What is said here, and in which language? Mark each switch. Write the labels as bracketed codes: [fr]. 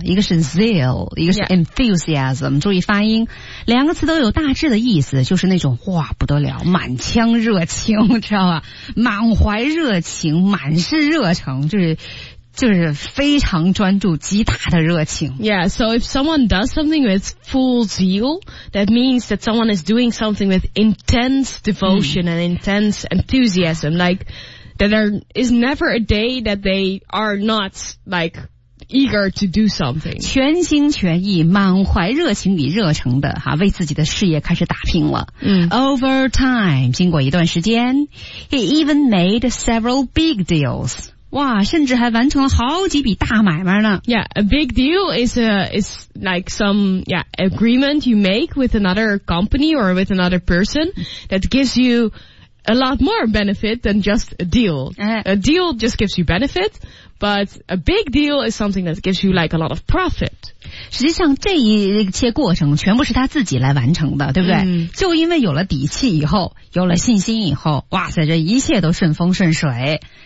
[zh] 一个是 zeal, 一个是 enthusiasm,、注意发音。两个词都有大致的意思就是那种哇不得了满腔热情知道吧满怀热情满是热诚就是非常专注极大的热情 [en] Yeah, so if someone does something with full zeal that means that someone is doing something with intense devotion and intense enthusiasm like that there is never a day that they are not like eager to do something. [zh] 全心全意满怀热情与热诚的哈，为自己的事业开始打拼了。 [en] Over time, [zh] 经过一段时间 [en] he even made several big deals. [zh] 哇，甚至还完成了好几笔大买卖呢。 [en] Yeah, a big deal is like some, yeah, agreement you make with another company or with another person that gives you a lot more benefit than just a deal. A deal just gives you benefit, but a big deal is something that gives you like a lot of profit. [zh] 实际上这一切过程全部是他自己来完成的，对不对？就因为有了底气以后，有了信心以后，哇塞，这一切都顺风顺水。